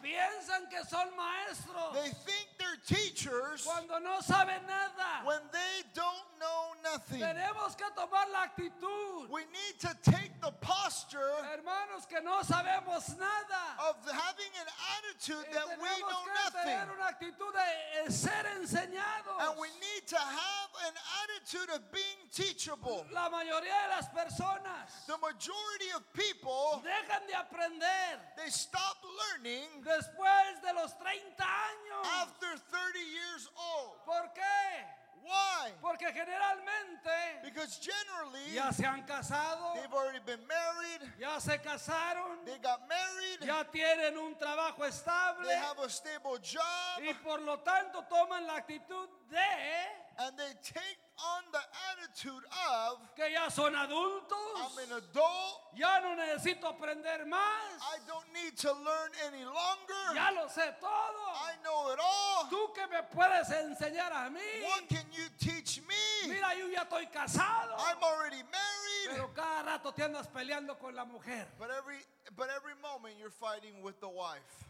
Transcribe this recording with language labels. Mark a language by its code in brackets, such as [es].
[es] Piensan que son maestros. [en] They think they're teachers. [es] Cuando no saben nada. [en] When they don't know nothing. [es] Tenemos que tomar la actitud. [en] We need to take the posture. [es] Hermanos, que no sabemos nada. [en] Of having an attitude that we know nothing. [es] Tenemos que tener una actitud de ser enseñados. [en] And we need to have an attitude of being teachable. [es] La mayoría de las personas. [en] Majority of people, [es] dejan de aprender. [en] They stop learning [es] después de los 30 años. [en] After 30 years old. [es] ¿Por qué? [en] Why? [es] Porque generalmente, [en] because generally, [es] ya se han casado. [en] They've already been married. [es] Ya se casaron. [en] They got married. [es] Ya tienen un trabajo estable. [en] They have a stable job. [es] Y por lo tanto toman la actitud de, [en] and they take on the attitude of, [es] que ya son adultos. [en] I'm an adult. [es] Ya no necesito aprender más. [en] I don't need to learn any longer. [es] Ya lo sé todo. [en] I know it all. [es] ¿Tú qué me puedes enseñar a mí? [en] What can you teach me? [es] Mira, yo ya estoy casado. [en] I'm already married. [es] Pero cada rato te andas peleando con la mujer. [en] But every moment you're fighting with the wife.